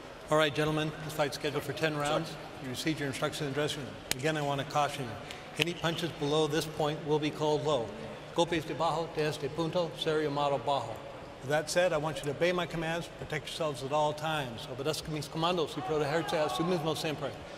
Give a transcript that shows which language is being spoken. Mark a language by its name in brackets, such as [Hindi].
[English] All right, gentlemen, this fight's scheduled for 10 rounds. You received your instructions in the dressing room. Again, I want to caution you. Any punches below this point will be called low. [Spanish] Golpes de bajo, de este punto, ser llamado bajo. [English] With that said, I want you to obey my commands, protect yourselves at all times. [Spanish] Obedezca mis comandos y protegerse a su mismo siempre.